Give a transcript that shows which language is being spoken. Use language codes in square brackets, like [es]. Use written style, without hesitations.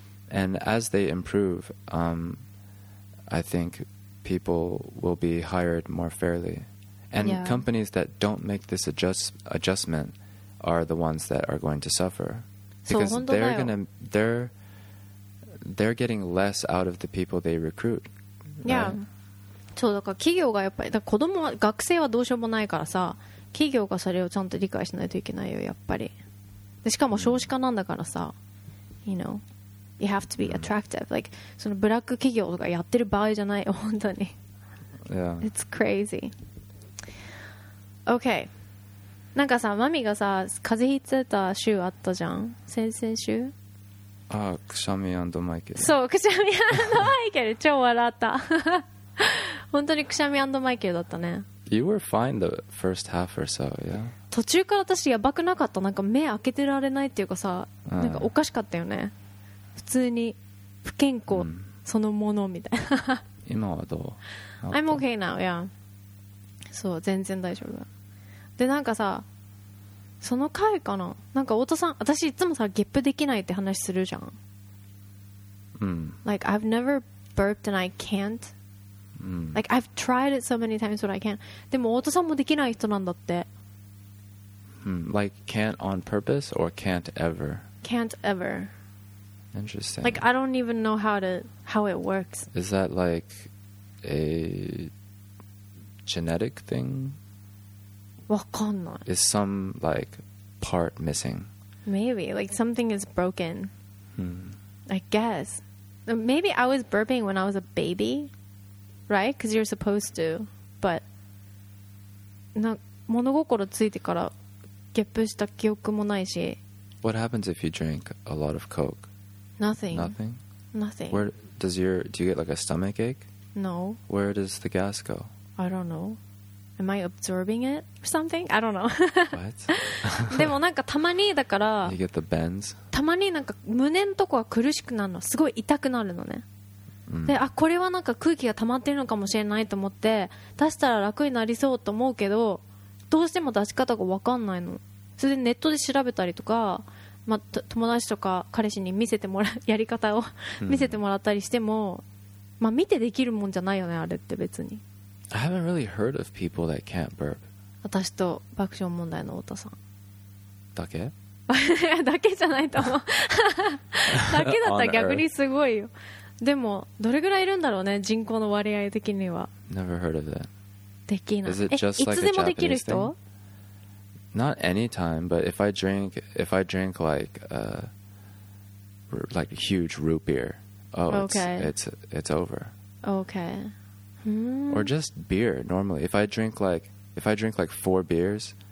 [en] And as they improve, I think people will be hired more fairly. And yeah. companies that don't make this adjustment are the ones that are going to suffer. Because they're getting less out of the people they recruit. Yeah. Right? [ja] そう、だから企業がやっぱり、だから子供は、学生はどうしようもないからさ、企業がそれをちゃんと理解しないといけないよ、やっぱり。 [en] で、しかも少子化なんだからさ、 you know. You have to be attractive. Mm. [ja] Like, そのブラック企業とかやってる場合じゃないよ、本当に。 [en] Yeah. It's crazy. Okay. [ja] なんかさ、マミがさ、風邪ひいてた週あったじゃん。先々週。あ、くしゃみ&マイケル。そう、くしゃみ&マイケル。超笑った。本当にくしゃみ&マイケルだったね。 [en] You were fine the first half or so, yeah? [ja] 途中から私やばくなかった。なんか目開けてられないっていうかさ、なんかおかしかったよね。普通に不健康そのものみたいな今はどう I'm okay now, yeah そう全然大丈夫でなんかさその回かななんか太田さん私いつもさゲップできないって話するじゃん、うん、 [en] Like I've never burped and I can't、 [ja] うん、 [en] Like I've tried it so many times but I can't でも太田さんもできない人なんだって、うん、Like can't on purpose or can't ever Can't ever Interesting. Like, I don't even know how it works. Is that like a genetic thing? [ja] わかんない。 [en] Is some like part missing? Maybe. Like, something is broken. Hmm. I guess. Maybe I was burping when I was a baby, right? Because you're supposed to. [ja] But, なんか物心ついてからゲップした記憶もないし。 [en] What happens if you drink a lot of Coke? Nothing. Where does do you get like a stomach ache? No. Where does the gas go? I don't know. Am I absorbing it or something? I don't know. What? [ja] でもなんかたまにだから [en] You get the bends? [ja] たまになんか胸のとこが苦しくなるの。すごい痛くなるのね。で、あ、これはなんか空気が溜まってるのかもしれないと思って出したら楽になりそうと思うけど、どうしても出し方が分かんないの。それでネットで調べたりとか、まあ、友達とか彼氏に見せてもらうやり方を見せてもらったりしても、まあ、見てできるもんじゃないよね、あれって。別に [en] I haven't really heard of people that can't burp. [ja] 私と爆笑問題の太田さんだけだけじゃないと思うだけだったら逆にすごいよ。でもどれぐらいいるんだろうね、人口の割合的には。 [en] Never heard of that. [ja] できない。 [en] Is it just like [ja] いつでもできる人？ [en] Not anytime, but if I drink like like a huge root beer, oh, okay. it's over. Okay. Or just beer normally. If I drink like four beers,